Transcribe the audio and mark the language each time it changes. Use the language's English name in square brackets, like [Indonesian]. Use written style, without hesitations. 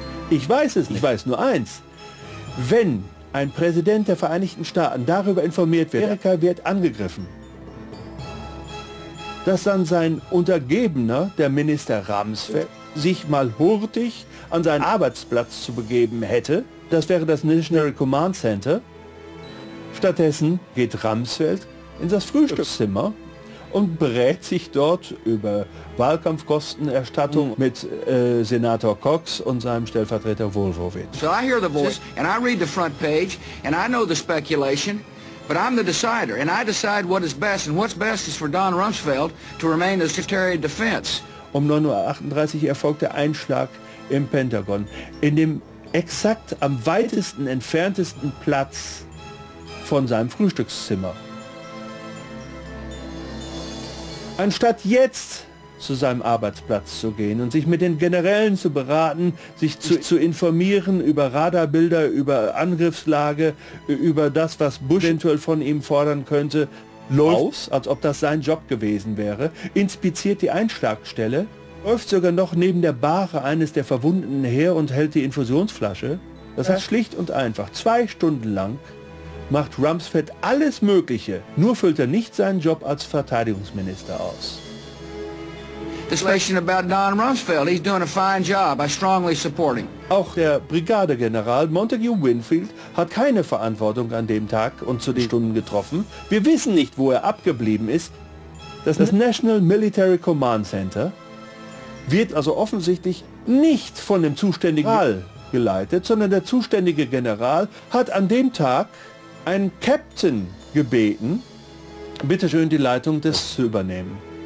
[German] Ich weiß es nicht. Ich weiß nur eins. Wenn ein Präsident der Vereinigten Staaten darüber informiert wird, Amerika wird angegriffen, dass dann sein Untergebener, der Minister Rumsfeld, sich mal hurtig an seinen Arbeitsplatz zu begeben hätte, das wäre das National Command Center. Stattdessen geht Rumsfeld in das Frühstückszimmer und berät sich dort über Wahlkampfkostenerstattung mit Senator Cox und seinem Stellvertreter Wolfowitz. [English] So I hear the voice and I read the front page and I know the speculation But I'm the decider, and I decide what is best, and what's best is for Don Rumsfeld to remain as Secretary of Defense. [German] Um 9.38 Uhr erfolgt der Einschlag im Pentagon. In dem exakt am weitesten entferntesten Platz von seinem Frühstückszimmer. Anstatt jetzt zu seinem Arbeitsplatz zu gehen und sich mit den Generälen zu beraten, sich zu informieren über Radarbilder, über Angriffslage, über das, was Bush eventuell von ihm fordern könnte, läuft, als ob das sein Job gewesen wäre, inspiziert die Einschlagstelle, läuft sogar noch neben der Bahre eines der Verwundeten her und hält die Infusionsflasche. Das heißt schlicht und einfach, 2 Stunden lang macht Rumsfeld alles Mögliche, nur füllt er nicht seinen Job als Verteidigungsminister aus. [English] This question about Don Rumsfeld, he's doing a fine job, I strongly support him. [German] Auch der Brigadegeneral Montague Winfield hat keine Verantwortung an dem Tag und zu den Stunden getroffen. Wir wissen nicht, wo er abgeblieben ist. Das National Military Command Center wird also offensichtlich nicht von dem zuständigen General geleitet, sondern der zuständige General hat an dem Tag einen Captain gebeten, bitteschön die Leitung des zu übernehmen.